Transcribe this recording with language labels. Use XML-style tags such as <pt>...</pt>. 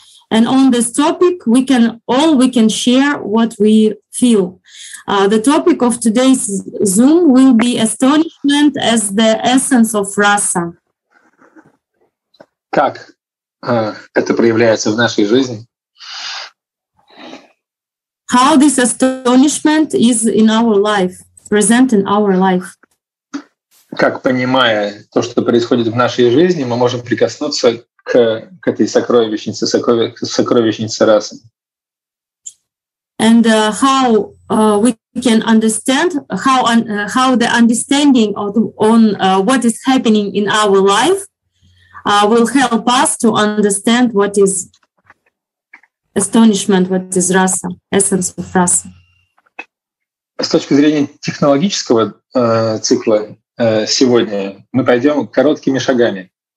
<en>And on this topic, we can share what we feel. The topic of today's Zoom will be astonishment as the essence of rasa.</en> <ru>Как это проявляется в нашей жизни?</ru> <en>How this astonishment is in our life, present in our life?</en> <ru>Как, понимая то, что происходит в нашей жизни, мы можем прикоснуться к этой сокровищнице, сокровищнице расы?</ru> <en>And how we can understand how the understanding of what is happening in our life will help us to understand what is astonishment, what is rasa, essence of rasa.</en> <ru>С точки зрения технологического цикла сегодня мы пойдем короткими шагами.</ru>